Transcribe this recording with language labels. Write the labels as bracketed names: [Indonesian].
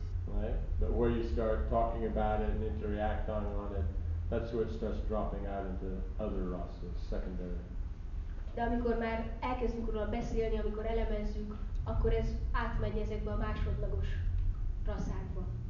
[English] Right? But where you start talking about it and interacting on it, that's where it starts dropping out into other rasa, secondary. [Hungarian] De amikor már elkezdünk róla beszélni, amikor elemezzük, akkor ez átmegy ezekbe a másodlagos rasszákba.